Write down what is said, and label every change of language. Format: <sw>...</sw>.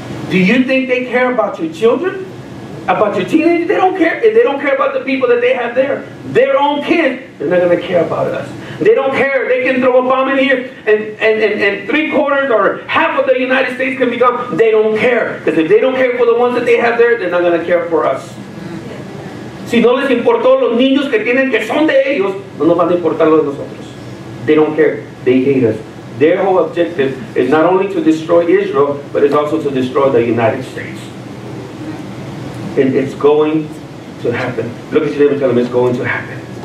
<en>Do you think they care about your children? about your teenagers. They don't care. They don't care about the people that they have there. Their own kin, they're not going to care about us. They don't care. They can throw a bomb in here and three quarters or half of the United States can be gone. They don't care. Because if they don't care for the ones that they have there, they're not going to care for us.</en> <es>Si no les importó los niños que tienen que son de ellos, no nos van a importar los de nosotros.</es> <en>They don't care. They hate us. Their whole objective is not only to destroy Israel, but it's also to destroy the United States. And it's going to happen. Look at your neighbor and tell them, it's going to happen.</en>